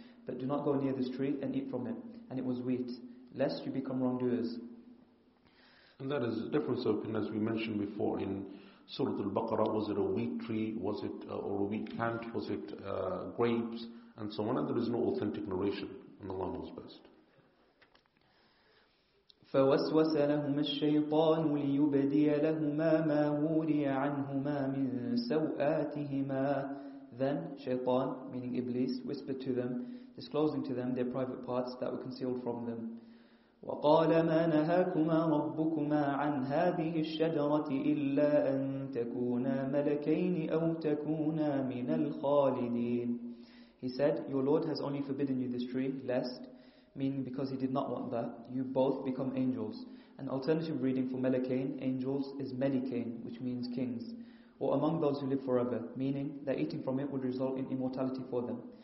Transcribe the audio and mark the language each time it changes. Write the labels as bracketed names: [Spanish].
[English] But do not go near this tree and eat from it. And it was wheat, lest you become wrongdoers. And that is a difference of opinion, as we mentioned before in Surah Al-Baqarah. Was it a wheat tree? Was it or a wheat plant? Was it grapes? And so on. And there is no authentic narration. And Allah knows best. [Arabic] فوسوس لهم الشيطان ليبدي لهما ما وري عنهما من سوآتهما. [English] Then Shaytan, meaning Iblis, whispered to them, disclosing to them their private parts that were concealed from them. [Arabic] وقال ما نهاكما ربكما عن هذه الشجرة إلا أن تكونا ملكين أو تكونا من الخالدين. [English] He said, your Lord has only forbidden you this tree, lest, meaning because he did not want that, you both become angels. An alternative reading for Malakain, angels, is Malikain, which means kings, or among those who live forever, meaning that eating from it would result in immortality for them.